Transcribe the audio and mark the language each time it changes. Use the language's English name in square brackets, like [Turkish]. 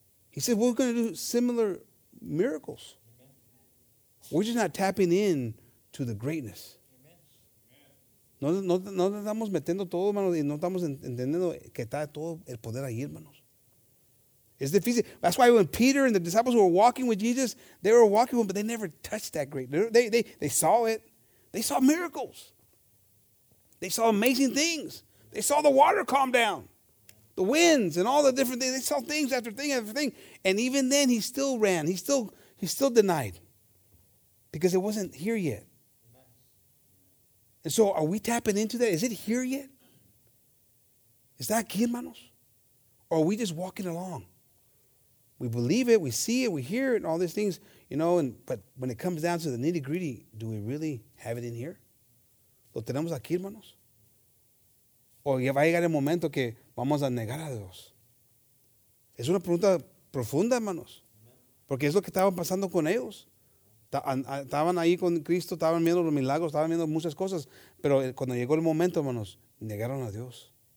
[English] He said, we're going to do similar miracles. Amen. We're just not tapping in to the greatness. [Spanish] No estamos metiendo todo, hermanos, y no estamos entendiendo que está todo el poder ahí, hermanos. Es difícil. [English] That's why when Peter and the disciples were walking with Jesus, they were walking with him, but they never touched that greatness. They saw it. They saw miracles. They saw amazing things. They saw the water calm down. The winds and all the different things. They saw things after thing after thing. And even then, he still ran. He still denied. Because it wasn't here yet. And so, are we tapping into that? Is it here yet? Is that [Spanish] aquí, hermanos? [English] or are we just walking along? We believe it, we see it, we hear it, and all these things, you know, and but when it comes down to the nitty-gritty, do we really have it in here? [Spanish] ¿Lo tenemos aquí, hermanos? ¿O ya va a llegar el momento que vamos a negar a Dios? Es una pregunta profunda, hermanos. Porque es lo que estaba pasando con ellos. Estaban ahí con Cristo, estaban viendo los milagros, estaban viendo muchas cosas. Pero cuando llegó el momento, hermanos, negaron a Dios.